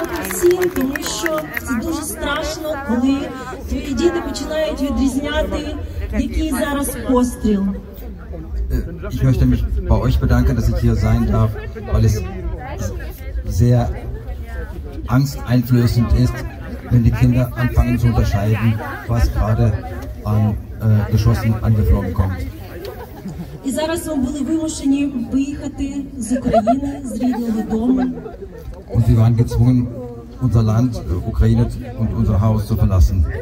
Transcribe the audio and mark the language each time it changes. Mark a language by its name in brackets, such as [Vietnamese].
[Ukrainian] Всім, тому що це дуже страшно, коли твої діти починають відрізняти, який зараз постріл. [German] Ich möchte mich bei euch bedanken, dass ich hier sein darf, weil es sehr angsteinflößend ist, wenn die Kinder anfangen zu unterscheiden, was gerade an Geschossen angeflogen kommt. [Ukrainian] І зараз ми були вимушені виїхати з України, з рідного дому. [German] Und sie waren gezwungen, unser Land, Ukraine und unser Haus zu verlassen.